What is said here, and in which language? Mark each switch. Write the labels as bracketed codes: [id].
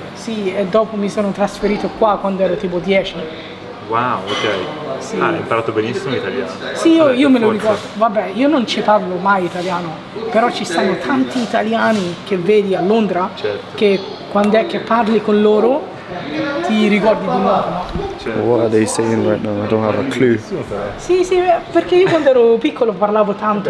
[it] Sì, e dopo mi sono trasferito qua quando ero tipo 10. Wow, ok. Sì. Ah, hai imparato benissimo italiano. Sì, io me lo ricordo. Vabbè, io non ci parlo mai italiano, però ci sono tanti italiani che vedi a Londra, certo, che quando è che parli con loro ti ricordi di nuovo. Certo. [en] What are they saying right now? I don't have a clue. [it] Sì, sì, perché io quando ero piccolo parlavo tanto.